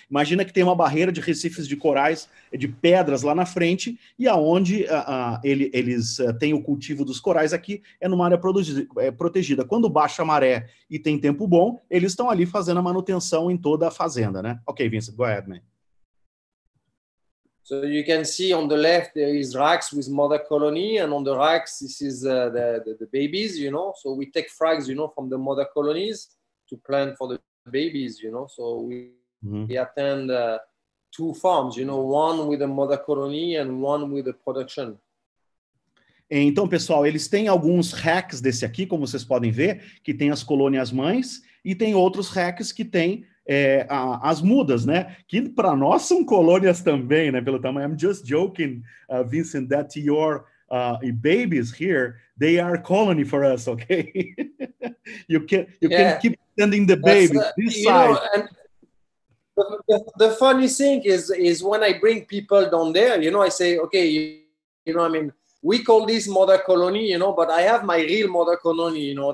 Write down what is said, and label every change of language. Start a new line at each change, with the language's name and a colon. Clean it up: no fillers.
Portuguese: Imagina que tem uma barreira de recifes de corais, de pedras lá na frente, e aonde eles têm o cultivo dos corais aqui é numa área protegida. Quando baixa a maré e tem tempo bom, eles estão ali fazendo a manutenção em toda a fazenda, né?
English: Ok, Vincent, go ahead, man. So you can see on the left there is racks with mother colony, and on the racks this is the babies, you know. So we take frags, you know, from the mother colonies to plant for the babies, you know. So we attend two farms, you know, one with the mother colony and one with the production.
Portuguese: Então, pessoal, eles têm alguns racks desse aqui, como vocês podem ver, que tem as colônias mães, e tem outros racks que tem as mudas, né? Que para nós são colônias também, né? Pelo tamanho.
English: I'm just joking, Vincent, that your babies here, they are colony for us, okay? you can keep sending the babies this size. You know, the funny thing is when I bring people down there, you know, I say, okay, you know, I mean, we call this mother colony, you know, but I have my real mother colony, you know.